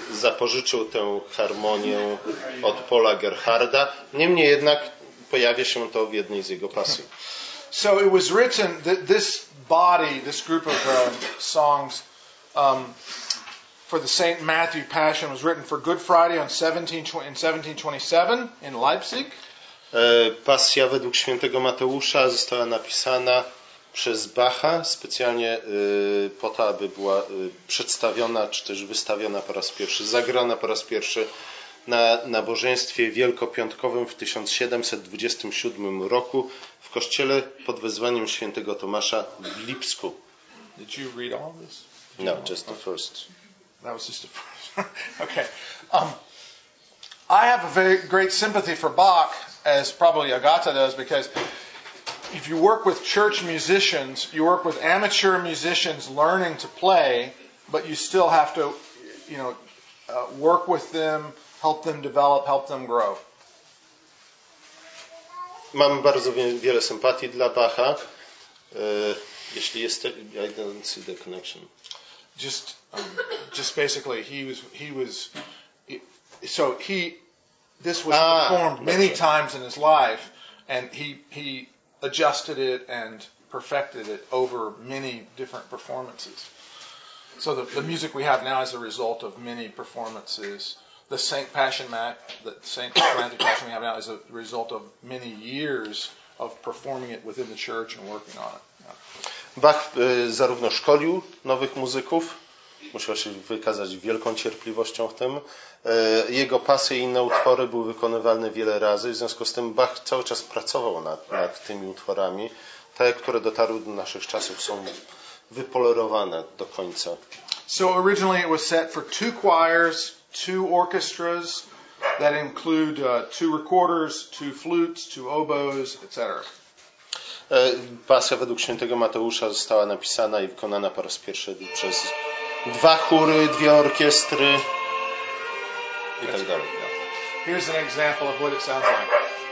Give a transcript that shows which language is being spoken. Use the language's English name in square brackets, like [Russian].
[Polish] Zapożyczył tę harmonię od Paula Gerharda. Niemniej jednak pojawia się to w jednej z jego pasji. [English] So it was written that this body, this group of songs for the St. Matthew Passion was written for Good Friday on 1727 in Leipzig. [Polish] Pasja według świętego Mateusza została napisana przez Bacha specjalnie po to, aby była przedstawiona czy też wystawiona po raz pierwszy, zagrana po raz pierwszy na nabożeństwie wielkopiątkowym w 1727 roku w kościele pod wezwaniem świętego Tomasza w Lipsku. [English] Did you read all this? No, just the first. That was just the first. Okay. I have a very great sympathy for Bach, as probably Agata does, because if you work with church musicians, you work with amateur musicians learning to play, but you still have to, you know, work with them, help them develop, help them grow. [Polish] Mam bardzo wiele sympatii dla Bacha. Jeśli jest, [English] I don't see the connection. Just basically, he was. This was performed many times in his life, and he adjusted it and perfected it over many different performances. So the music we have now is a result of many performances. The Saint Patrick Passion we have now is a result of many years of performing it within the church and working on it. [Polish] Bach zarówno szkolił nowych muzyków, musiał się wykazać wielką cierpliwością w tym. Jego pasje i inne utwory były wykonywane wiele razy, w związku z tym Bach cały czas pracował nad tymi utworami. Te, które dotarły do naszych czasów, są wypolerowane do końca. [English] So originally it was set for two choirs, two orchestras that include two recorders, two flutes, two oboes, etc. [Polish] Pasja według świętego Mateusza została napisana i wykonana po raz pierwszy przez dwa chóry, dwie orkiestry i tak dalej. [English] Here's an example of what it sounds like.